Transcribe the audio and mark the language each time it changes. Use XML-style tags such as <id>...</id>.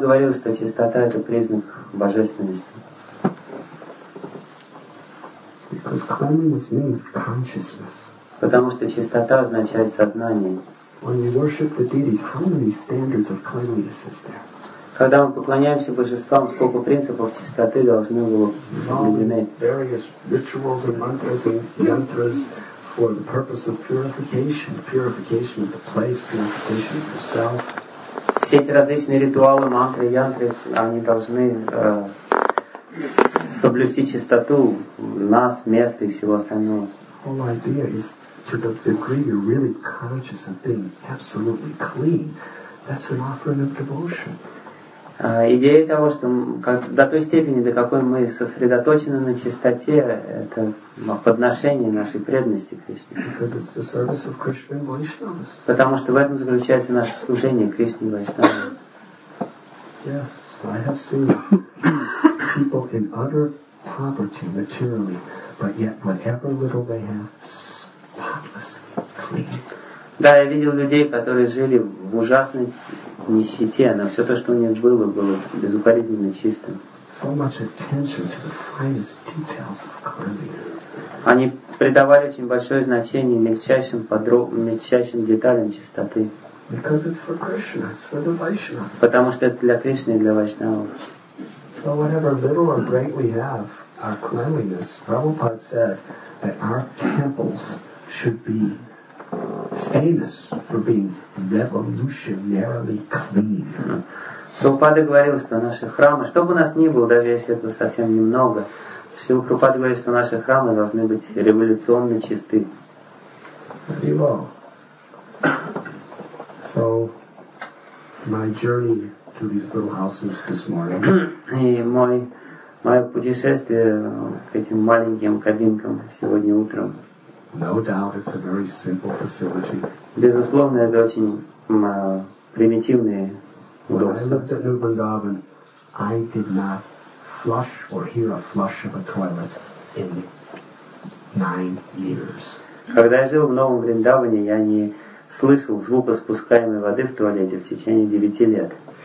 <ru>говорил, что чистота — это признак божественности.</ru> <en>Because cleanliness means consciousness.</en> <ru>Потому что чистота означает сознание.</ru> <en>When we worship the deities, how many standards of cleanliness is there?</en> <ru>Когда мы поклоняемся божествам, сколько принципов чистоты должны было соблюдены?</ru> <en>Various rituals and mantras and yantras. For the purpose of purification, purification of the place, purification of yourself.</en> <ru>Все эти различные ритуалы, мантры, янтры, они должны соблюсти чистоту нас, места и всего остального.</ru> <en>Whole idea is to the degree you're really conscious of being absolutely clean. That's an offering of devotion.</en> <ru>Идея того, что до той степени, до какой мы сосредоточены на чистоте, это подношение нашей преданности Кришне. Потому что в этом заключается наше служение Кришне Вайшнаве.</ru> <en>Yes, I have seen people in utter poverty materially, but yet whatever little they have, spotlessly clean.</en> <ru>Да, я видел людей, которые жили в ужасной нищете, но все то, что у них было, было безукоризненно чистым.</ru> <en>So much attention to the finest details of cleanliness.</en> <ru>Они придавали очень большое значение мельчайшим деталям чистоты.</ru> <en>Because it's for Krishna, it's for the Vaishnava.</en> <ru>Потому что это для Кришны и для Вайшнава.</ru> <en>So whatever little or great we have, our cleanliness, Prabhupada said that our temples should be famous for being revolutionarily clean.</en> <ru>Прабхупада говорил, что наши храмы, что бы у нас ни было, даже если это совсем немного, Шрила Прабхупада говорит, что наши храмы должны быть революционно чисты.</ru> <en>So, my journey to these little houses this morning.</en> <ru>И мое путешествие к этим маленьким кабинкам сегодня утром.</ru> <en>No doubt, it's a very simple facility.</en> <ru>Безусловно, это очень примитивные удобства.</ru> <en>When I looked at New Vrindavan, I did not flush or hear a flush of a toilet in 9 years.</en> <ru>Когда я жил в Новом Вриндаване, я не слышал звука спускаемой воды в туалете в течение 9 лет.</ru>